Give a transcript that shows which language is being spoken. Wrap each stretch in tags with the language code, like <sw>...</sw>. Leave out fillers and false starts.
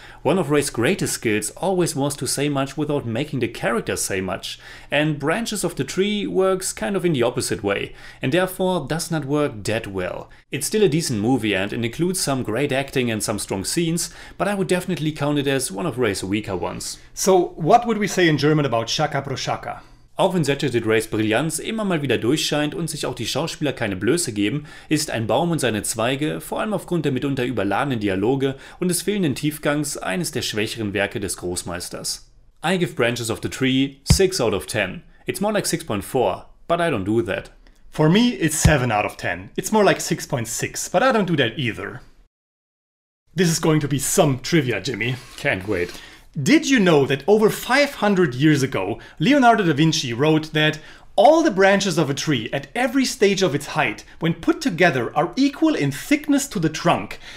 <en>One of Ray's greatest skills always was to say much without making the character say much, and Branches of the Tree works kind of in the opposite way, and therefore does not work that well. It's still a decent movie and it includes some great acting and some strong scenes, but I would definitely count it as one of Ray's weaker ones. So what would we say in German about Shakha Proshakha?</en> <de>Auch wenn Satyajit Rays Brillanz immer mal wieder durchscheint und sich auch die Schauspieler keine Blöße geben, ist Ein Baum und seine Zweige, vor allem aufgrund der mitunter überladenen Dialoge und des fehlenden Tiefgangs, eines der schwächeren Werke des Großmeisters.</de> <en>I give Branches of the Tree 6 out of 10. It's more like 6.4, but I don't do that. For me, it's 7 out of 10. It's more like 6.6, but I don't do that either. This is going to be some trivia, Jimmy. Can't wait. Did you know that over 500 years ago, Leonardo da Vinci wrote that all the branches of a tree at every stage of its height, when put together, are equal in thickness to the trunk?</en>